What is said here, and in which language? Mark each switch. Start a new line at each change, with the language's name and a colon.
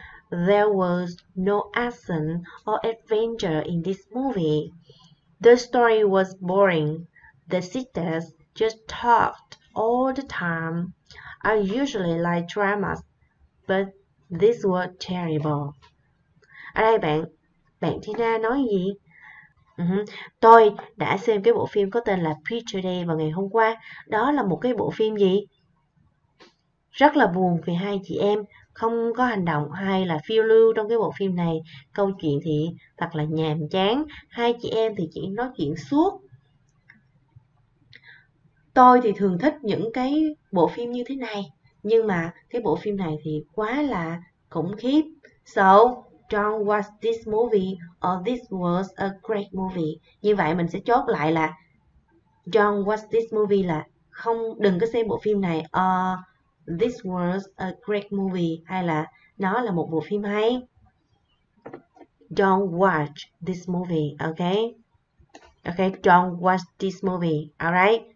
English: There was no action or adventure in this movie. The story was boring. The sisters just talked all the time. I usually like dramas, but this was terrible.
Vietnamese: Ở đây bạn Tina nói gì? Tôi đã xem cái bộ phim có tên là Picture Day vào ngày hôm qua. Đó là một cái bộ phim gì? Rất là buồn vì hai chị em không có hành động hay là phiêu lưu trong cái bộ phim này. Câu chuyện thì thật là nhàm chán. Hai chị em thì chỉ nói chuyện suốt. Tôi thì thường thích những cái bộ phim như thế này. Nhưng mà cái bộ phim này thì quá là khủng khiếp.
English: So, don't watch this movie or this was a great movie.
Vietnamese: Như vậy mình sẽ chốt lại là
English: don't watch this movie
Vietnamese: là không, đừng có xem bộ phim này
English: or this was a great movie
Vietnamese: hay là nó là một bộ phim hay.
English: Don't watch this movie, okay? Okay, don't watch this movie, alright?